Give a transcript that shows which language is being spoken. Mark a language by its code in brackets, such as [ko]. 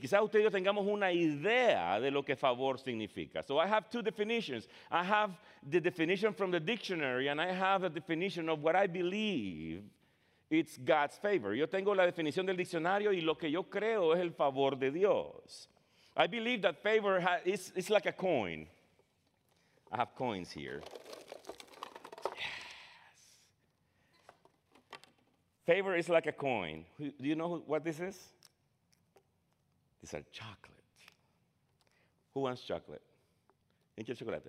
[es] Quizás ustedes tengamos una idea de lo que favor significa. [en] So I have two definitions. I have the definition from the dictionary, and I have a definition of what I believe it's God's favor. [es] Yo tengo la definición del diccionario y lo que yo creo es el favor de Dios. [en] I believe that favor is like a coin. I have coins here. Yes. Favor is like a coin. Do you know what this is? These are chocolate. Who wants chocolate? Any chocolate?